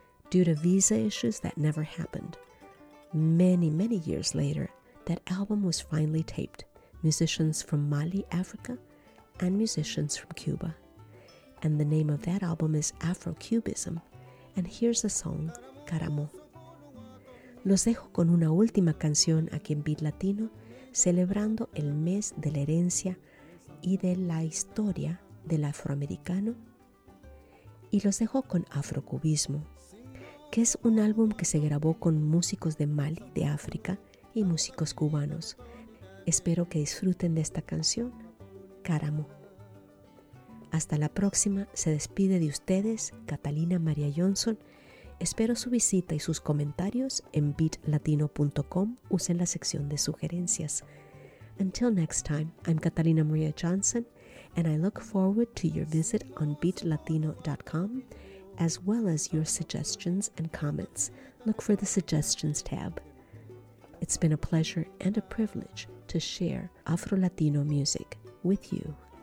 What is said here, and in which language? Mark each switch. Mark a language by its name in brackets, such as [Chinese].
[English] Due to visa issues, that never happened. Many, many years later, that album was finally taped. Musicians from Mali, Africa, and musicians from Cuba. And the name of that album is Afro-Cubism. And here's the song, Caramo. [Spanish] Los dejo con una última canción aquí en Beat Latino, celebrando el mes de la herencia y de la historia del afroamericano. Y los dejo con Afro-Cubismo, que es un álbum que se grabó con músicos de Mali, de África, y músicos cubanos. Espero que disfruten de esta canción, Cáramo. Hasta la próxima, se despide de ustedes, Catalina María Johnson. Espero su visita y sus comentarios en beatlatino.com, usen la sección de sugerencias. [English] Until next time, I'm Catalina María Johnson, and I look forward to your visit on beatlatino.com, as well as your suggestions and comments. Look for the suggestions tab. It's been a pleasure and a privilege to share Afro-Latino music with you.